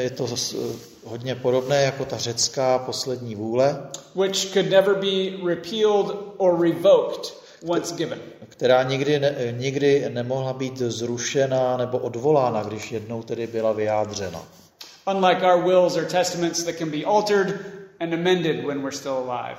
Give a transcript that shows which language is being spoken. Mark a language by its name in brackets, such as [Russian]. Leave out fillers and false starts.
[Czech] Je to hodně podobné jako ta řecká poslední vůle. [English] Which could never be repealed or revoked once given. [Czech] Která nikdy nemohla být zrušena nebo odvolána, když jednou tedy byla vyjádřena. [English] Unlike our wills or testaments that can be altered and amended when we're still alive.